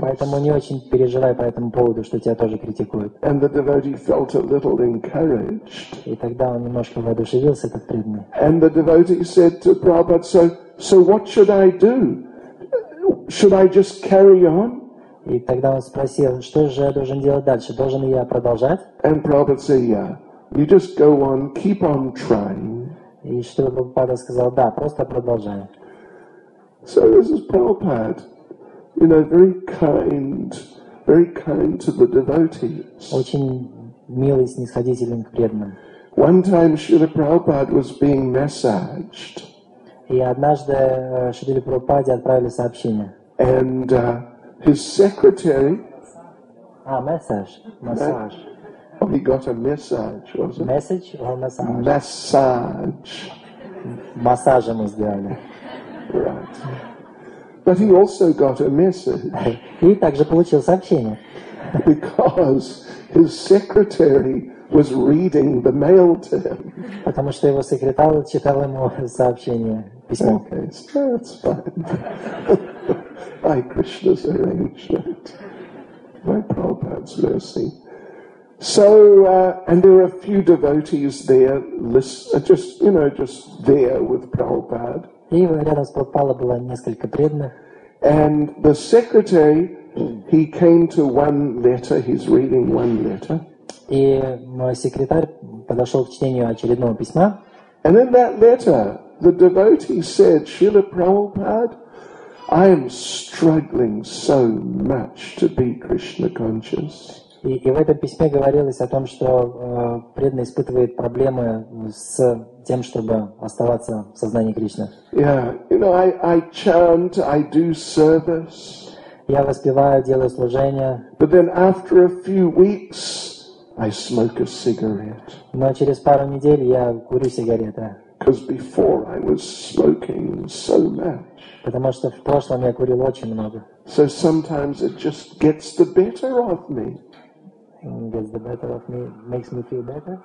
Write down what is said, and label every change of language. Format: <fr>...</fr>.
<ru>Поэтому не очень переживай по этому поводу, что тебя тоже критикуют.</ru> <en>And the devotee felt a little encouraged.</en> <ru>И тогда он немножко воодушевился, этот преданный.</ru> <en>And the devotee said to Prabhupada, so what should I do? Should I just carry on?</en> <ru>И тогда он спросил, что же я должен делать дальше? Должен ли я продолжать?</ru> <en>And Prabhupada said, yeah. You just go on, keep on trying.</en> <ru>И Шрила Прабхупада сказал, да, просто продолжай.</ru> <en>So this is Prabhupada, you know, very kind to the devotees.</en> <ru>Очень милый, снисходителен к преданным.</ru> <en>One time Srila Prabhupada was being massaged.</en> <ru>И однажды Шриле Прабхупаде отправили сообщение.</ru> <en>And his secretary...</en> <ru>Массаж.</ru> <en>Oh, he got a message, was it? Message or massage? Massage.</en> <ru>Massage ему сделали.</ru> <en>Right. But he also got a message.</en> <ru>И также получил сообщение.</ru> <en>Because his secretary was reading the mail to him.</en> <ru>Потому что его секретарь читал ему сообщение, письмо.</ru> <en>Okay, that's fine. By Krishna's arrangement. By Prabhupada's mercy. So and there were a few devotees there, just there with Prabhupada.</en> <ru>И рядом с Прабхупадой было несколько преданных.</ru> <en>And the secretary, he came to one letter. He's reading one letter.</en> <ru>И мой секретарь подошел к чтению очередного письма.</ru> <en>And in that letter, the devotee said, "Srila Prabhupada, I am struggling so much to be Krishna conscious."</en> <ru>И в этом письме говорилось о том, что преданный испытывает проблемы с тем, чтобы оставаться в сознании Кришны.</ru> <en>Yeah, you know, I chant, I do service.</en> <ru>Я воспеваю, делаю служение.</ru> <en>But then after a few weeks, I smoke a cigarette.</en> <ru>Но через пару недель я курю сигареты.</ru> <en>Because before I was smoking so much.</en> <ru>Потому что в прошлом я курил очень много.</ru> <en>So sometimes it just gets the better of me. Gets the better of me, makes me feel better?</en>